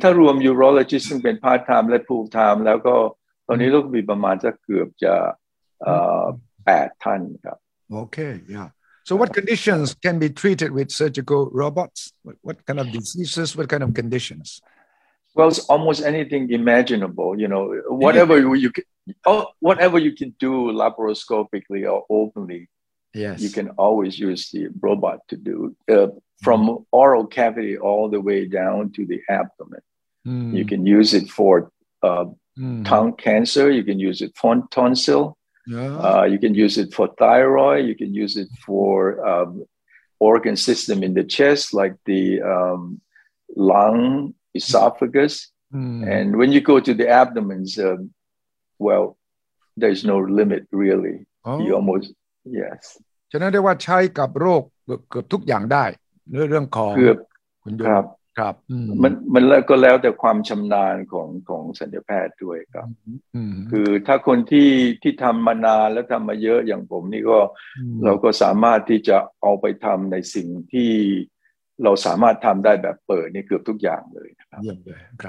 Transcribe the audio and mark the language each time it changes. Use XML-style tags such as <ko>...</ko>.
<th>ถ้ารวม urologist ซึ่งเป็น part time และ full time แล้วก็ตอนนี้ก็มีประมาณสักเกือบจะ8ท่านครับ</th> <en>Okay, yeah. So what conditions can be treated with surgical robots? What kind of diseases? What kind of conditions? Well, it's almost anything imaginable, you know, whatever you can do laparoscopically or openly, yes. You can always use the robot to do from oral cavity all the way down to the abdomen. You can use it for tongue cancer. You can use it for tonsil. You can use it for thyroid. You can use it for organ system in the chest, like the lung, esophagus. And when you go to the abdomens, well, there's no limit, really. You almost, yes.</en> <th>ฉะนั้นเรียกว่าใช้กับโรคเกือบทุกอย่างได้เรื่องของ เกือบ คุณโยมครับ ครับมันแล้วก็แล้วแต่ความชำนาญของศัลยแพทย์ด้วยครับคือถ้าคนที่ทำมานานแล้วทำมาเยอะอย่างผมนี่ก็เราก็สามารถที่จะเอาไปทำในสิ่งที่เราสามารถทำได้แบบเปิดนี่เกือบทุกอย่างเลยคร</th>